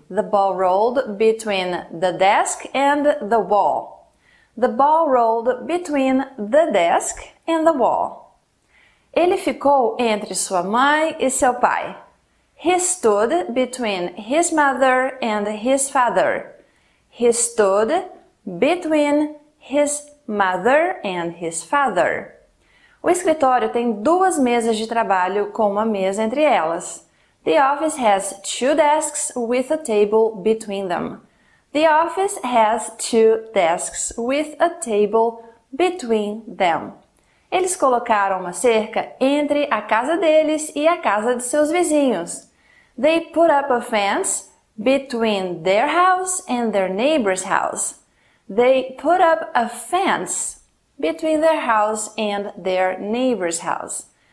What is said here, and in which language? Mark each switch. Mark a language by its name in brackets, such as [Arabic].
[English] The ball rolled between the desk and the wall. The ball rolled between the desk and the wall. [Portuguese] Ele ficou entre sua mãe e seu pai. [English] He stood between his mother and his father. He stood between his mother and his father. [Portuguese] O escritório tem duas mesas de trabalho com uma mesa entre elas. [English] The office has two desks with a table between them. The office has two desks with a table between them. [Portuguese] Eles colocaram uma cerca entre a casa deles e a casa de seus vizinhos. [English] They put up a fence between their house and their neighbor's house. They put up a fence between their house and their neighbor's house.